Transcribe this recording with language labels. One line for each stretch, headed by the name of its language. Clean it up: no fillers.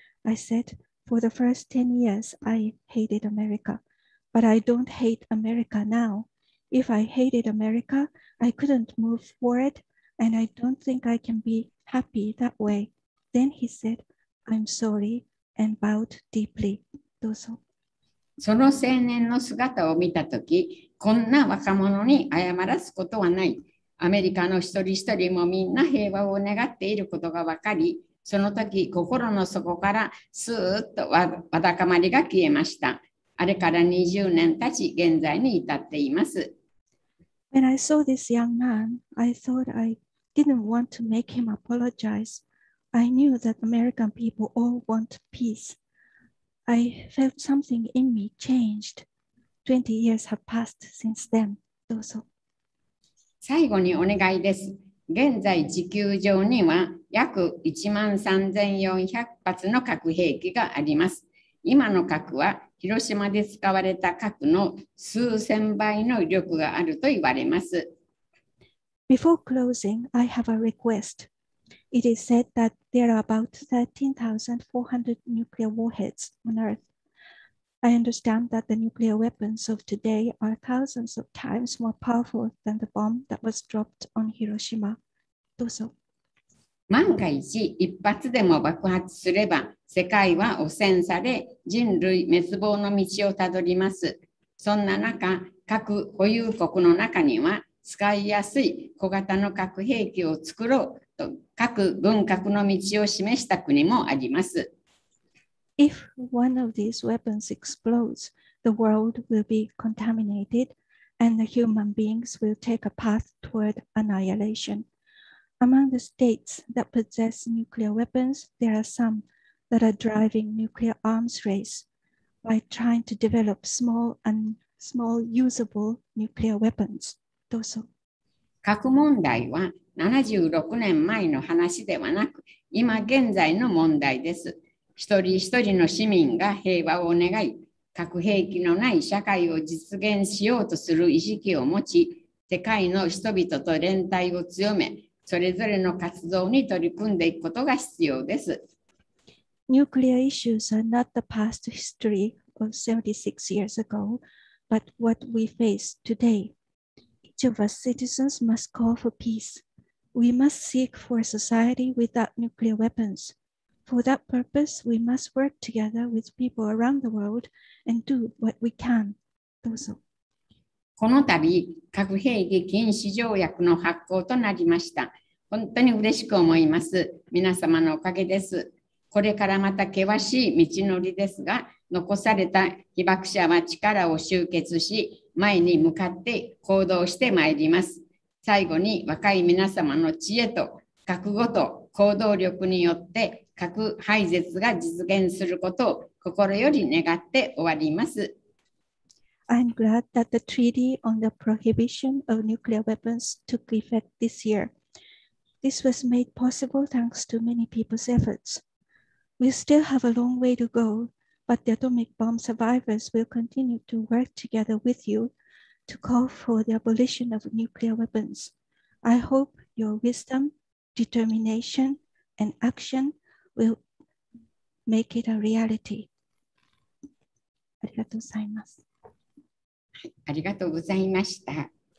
English: I said,For the first 10 years, I hated America. But I don't hate America now. If I hated America, I couldn't move forward, and I don't think I can be happy that way. Then he said, I'm sorry, and bowed deeply.
Japanese: どうぞ。その青年の姿を見たとき、こんな若者に謝らすことはない。アメリカの一人一人もみんな平和を願っていることがわかり、その時心の底からスーッとわだかまりが消えました。あれから20年経ち、現在に至っています。
English: When I saw this young man, I thought I didn't want to make him apologize. I knew that American people all want peace. I felt something in me changed. 20 years have passed since then.
Japanese: どうぞ。最後にお願いです。現在地球上には約1万3400発の核兵器があります。今の核は広島で使われた核の数千倍の威力があると言われます。
English: Before closing, I have a request. It is said that there are about 13,400 nuclear warheads on Earth. I understand that the nuclear weapons of today are thousands of times more powerful than the bomb that was dropped on Hiroshima.
Japanese: どうぞ。万が一一発でも爆発すれば世界は汚染され人類滅亡の道をたどります。そんな中、核保有国の中には使いやすい小型の核兵器を作ろうと核軍拡の道を示した国もあります。
English: If one of these weapons explodes, the world will be contaminated and the human beings will take a path toward annihilationAmong the states that possess nuclear weapons, there are some that are driving nuclear arms race. by trying to develop small usable nuclear weapons.
Japanese: どうぞ。核問題は76年前の話ではなく、今現在の問題です。一人一人の市民が平和を願い、核兵器のない社会を実現しようとする意識を持ち、世界の人々と連帯を強め、それぞれの活動に取り組んでいくことが必要です。
English: Nuclear issues are not the past history of 76 years ago, but what we face today. Each of us citizens must call for peace. We must seek for a society without nuclear weapons. For that purpose, we must work together with people around the world and do what we can.
Japanese: どうぞ。この度、核兵器禁止条約の発効となりました。本当に嬉しく思います。皆様のおかげです。これからまた険しい道のりですが、残された被爆者は力を集結し、前に向かって行動してまいります。最後に若い皆様の知恵と覚悟と行動力によって核廃絶が実現することを心より願って終わります。
English: I'm glad that the Treaty on the Prohibition of Nuclear Weapons took effect this year. This was made possible thanks to many people's efforts. We still have a long way to go, but the atomic bomb survivors will continue to work together with you to call for the abolition of nuclear weapons. I hope your wisdom, determination, and action will make it a reality.
Japanese: ありがとうございます。ありがとうございました。